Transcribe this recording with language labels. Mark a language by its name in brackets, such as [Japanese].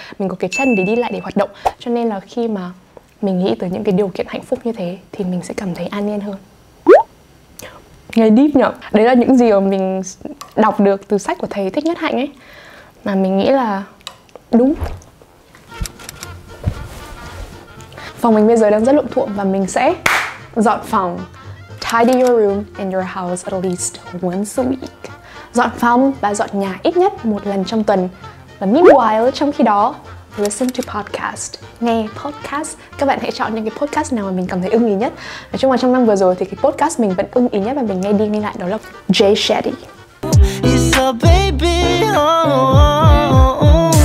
[Vietnamese] Mình có cái chân để đi lại, để hoạt động. Cho nên là khi mà mình nghĩ tới những cái điều kiện hạnh phúc như thế thì mình sẽ cảm thấy an nhiên hơn. Ngày deep nhở? Đấy là những gì mà mình đọc được từ sách của thầy Thích Nhất Hạnh ấy, mà mình nghĩ là đúng. Phòng mình bây giờ đang rất lộn xộn và mình sẽ dọn phòng. [English] Tidy your room and your house at least once a week. [Vietnamese] Dọn phòng và dọn nhà ít nhất một lần trong tuần. Và meanwhile, trong khi đó, [English] listen to podcast. [Vietnamese] Nghe podcast. Các bạn hãy chọn những cái podcast nào mà mình cảm thấy ưng ý nhất. Nói chung là trong năm vừa rồi thì cái podcast mình vẫn ưng ý nhất và mình nghe đi nghe lại đó là Jay Shetty. [English] It's a baby, oh, oh, oh.